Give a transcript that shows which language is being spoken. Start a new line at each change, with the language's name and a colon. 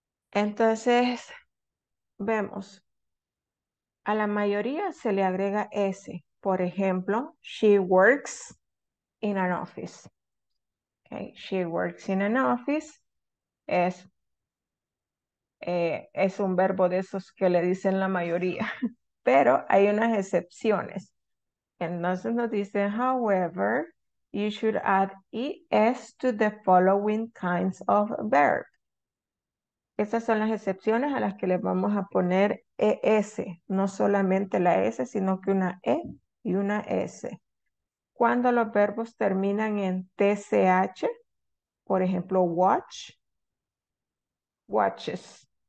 Spanish: Entonces, vemos. A la mayoría se le agrega S. Por ejemplo,
English: she works in an office. She works in an office.
Spanish: Es un verbo de esos que le dicen la mayoría. Pero hay unas excepciones. Entonces nos dice,
English: however, you should add es to the following kinds of verb.
Spanish: Esas son las excepciones a las que le vamos a poner es. No solamente la s, sino que una e y una s. Cuando los verbos terminan en TCH, por ejemplo, watch, watches.